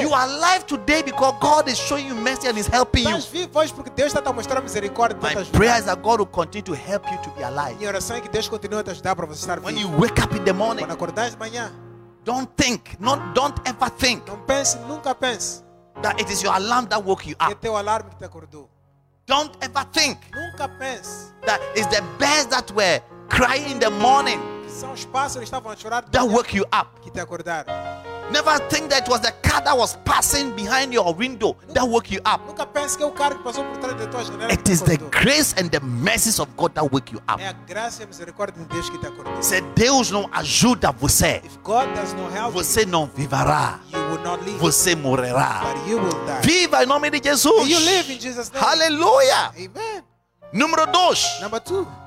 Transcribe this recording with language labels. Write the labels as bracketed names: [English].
[English] You are alive today because God is showing you mercy and is helping you. [Portuguese] Estás vivo hoje porque Deus está te mostrando misericórdia e te ajudando. [English] My prayer is that God will continue to help you to be alive. [Portuguese] Minha oração é que Deus continue a te ajudar para você estar vivo. [English] When you wake up in the morning, [Portuguese] quando acordares de manhã, [English] don't think, not don't ever think. [Portuguese] Não pense, nunca pense. [English] That it is your alarm that woke you up. [Portuguese] É teu alarme que te acordou. [English] Don't ever think. [Portuguese] Nunca pense. [English] That is the bears that were crying in the morning. [Portuguese] São os pássaros que estavam a chorar. [English] That woke you up. [Portuguese] Que te acordaram. [English] Never think that it was the car that was passing behind your window that woke you up. [Portuguese] Nunca pense que é o carro que passou por trás da tua janela. [English] It is the grace and the mercies of God that woke you up. [Portuguese] É a graça e a misericórdia de Deus que te acordou. Se Deus não ajuda você, [English] if God does not help you, [Portuguese] você não viverá. [English] You will not live. [Portuguese] Você morrerá. [English] But you will die. [Portuguese] Viva em nome de Jesus. [English] You live in Jesus' name. Hallelujah. Amen. [Portuguese] Número 2. [English] Number 2.